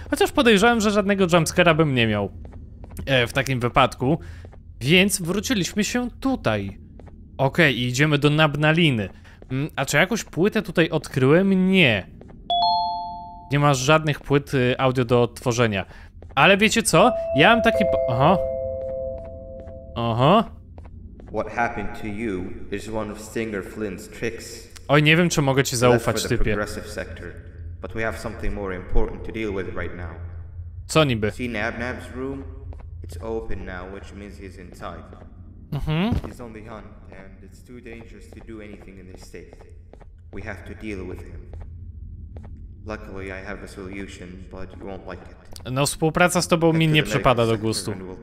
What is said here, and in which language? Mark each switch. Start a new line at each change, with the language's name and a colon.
Polish: Chociaż podejrzewałem, że żadnego jumpscare'a bym nie miał. W takim wypadku. Więc wróciliśmy się tutaj. Okej, okay, idziemy do Nabnaliny. A czy jakąś płytę tutaj odkryłem? Nie. Nie masz żadnych płyt audio do odtworzenia. Ale wiecie co? Ja mam taki Oho.
English: What happened to you is one of Stinger Flynn's tricks.
Polish: Oj, nie wiem, czy mogę ci zaufać, typie.
English: Progressive sector, but we have something more important to deal with right now.
Polish: Co niby?
English: See Nab's room? It's open now, which means he's inside. Mhm. He's on the hunt, and it's too dangerous to do anything in this state. We have to deal with him. Luckily, I have a solution, but you won't like it.
Polish: No, współpraca z tobą mi nie przypada do gustu.